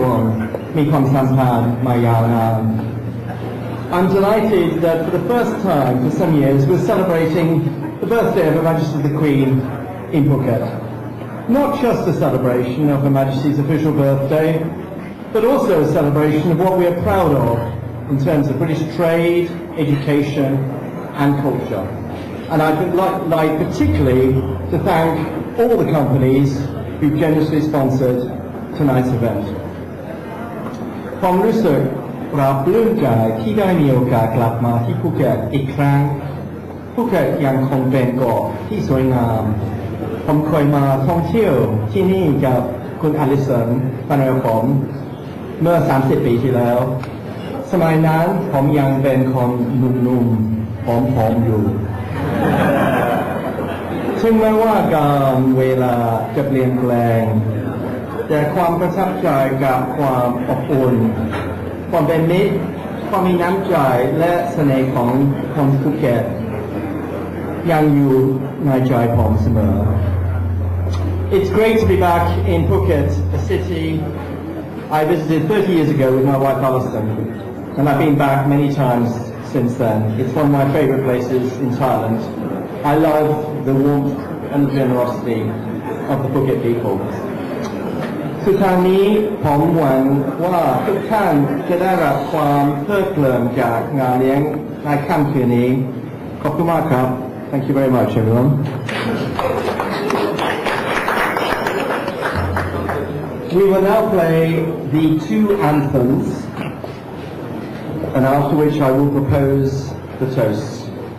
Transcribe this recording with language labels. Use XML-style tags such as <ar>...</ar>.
<th>การจัดงานเฉลิมฉลองในค่ำคืนนี้สหราชอาณาจักรและประเทศไทยมีความสัมพันธ์แน่นแฟนมากในหลายด้านและทางสองชาติตัวมีความสัมพันธ์มายาวนาน</th> <en>I'm delighted that for the first time for some years we're celebrating the birthday of Her Majesty the Queen in Phuket. Not just a celebration of Her Majesty's official birthday,but also a celebration of what we are proud of in terms of British trade, education and culture. And I'd like particularly to thank all the companies who generously sponsored tonight's event.</en> <th>ความรู้สึกปราบปลื้มใจที่ได้มีโอกาสกลับมาที่ภูเก็ตอีกครั้งภูเก็ตยังคงเป็นเกาะที่สวยงามผมเคยมาท่องเที่ยวที่นี่กับคุณอลิสันแฟนของผมเมื่อ30ปีที่แล้วสมัยนั้นผมยังเป็นคนหนุ่มๆผอมๆอยู่ ถึงแม้ว่าการเวลาจะเปลี่ยนแปลงแต่ความประทับใจกับความอบอุ่นความเป็นมิตรความมีน้ำใจและเสน่ห์ของคนภูเก็ตยังอยู่ในใจผมเสมอ</th> <en>It's great to be back in Phuket, a cityI visited 30 years ago with my wife Alison, and I've been back many times since then. It's one of my favorite places in Thailand. I love the warmth and the generosity of the Phuket people.</en> <th>สุดท้ายนี้ผมหวังว่าทุกท่านจะได้รับความเพลิดเพลินจากงานเลี้ยงในค่ำคืนนี้ขอบคุณมากครับ</th> <en>Thank you very much, everyone. We will now play the two anthems, and after which I will propose the toast.</en>